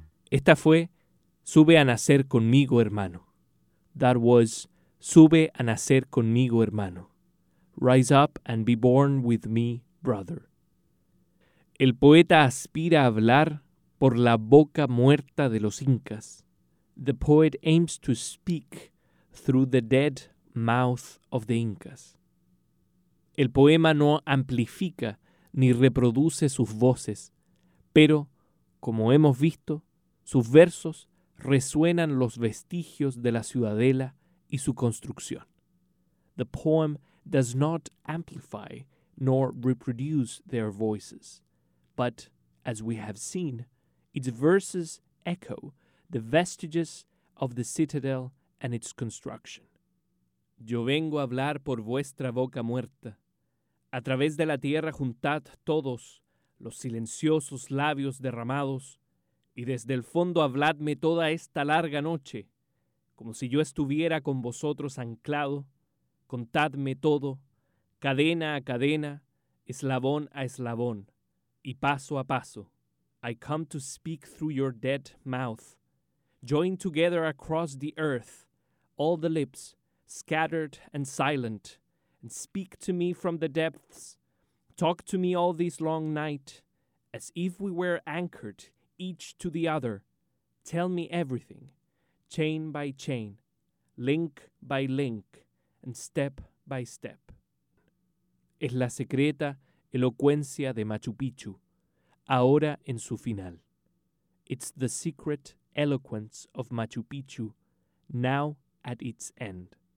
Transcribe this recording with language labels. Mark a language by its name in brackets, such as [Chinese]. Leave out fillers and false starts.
[Spanish] Esta fue Sube a nacer conmigo, hermano. [English] That was Sube a nacer conmigo, hermano. Rise up and be born with me, brother. [Spanish] El poeta aspira a hablar por la boca muerta de los incas. [English] The poet aims to speak through the dead mouth of the incas. [Spanish] El poema no amplifica ni reproduce sus voces, pero, como hemos visto, sus versos resuenan los vestigios de la ciudadela y su construcción. [English] The poem does not amplify nor reproduce their voices, but, as we have seen, its verses echo the vestiges of the citadel and its construction. [Spanish] Yo vengo a hablar por vuestra boca muerta. A través de la tierra juntad todos los silenciosos labios derramados, y desde el fondo habladme toda esta larga noche, como si yo estuviera con vosotros anclado. Contadme todo, cadena a cadena, eslabón a eslabón, y paso a paso. [English] I come to speak through your dead mouth. Joined together across the earth, all the lips, scattered and silent, and speak to me from the depths. Talk to me all this long night, as if we were anchored each to the other. Tell me everything, chain by chain, link by link, and step by step. [Spanish] Es la secreta elocuencia de Machu Picchu, ahora en su final. [English] It's the secret eloquence of Machu Picchu, now at its end.